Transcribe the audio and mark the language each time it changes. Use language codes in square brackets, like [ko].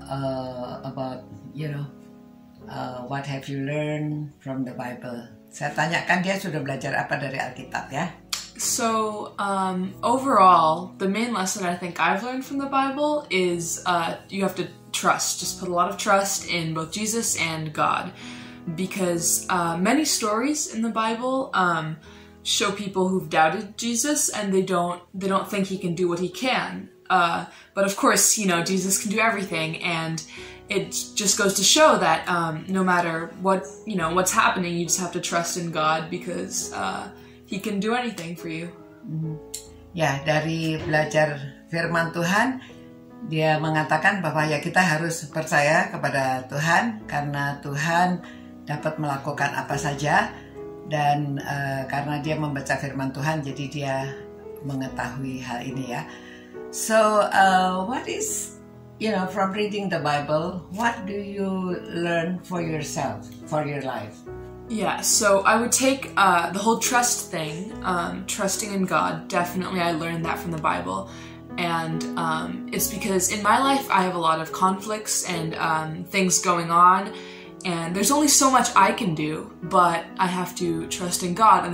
[en] About, you know, what have you learned from the Bible? [id] Saya tanyakan dia sudah belajar apa dari Alkitab ya. [en] So, overall, the main lesson I think I've learned from the Bible is you have to trust. Just put a lot of trust in both Jesus and God. Because many stories in the Bible show people who've doubted Jesus and they don't think he can do what he can. But of course, you know, Jesus can do everything, and it just goes to show that no matter what, you know, what's happening, you just have to trust in God because he can do anything for you. Mm-hmm. [id] Ya, dari belajar firman Tuhan, dia mengatakan bahwa ya kita harus percaya kepada Tuhan karena Tuhan dapat melakukan apa saja, dan karena dia membaca firman Tuhan, jadi dia mengetahui hal ini ya. [en] So, what is, you know, from reading the Bible, what do you learn for yourself, for your life? Yeah, so I would take the whole trust thing, trusting in God, definitely I learned that from the Bible. And it's because in my life I have a lot of conflicts and things going on, and there's only so much I can do, but I have to trust in God.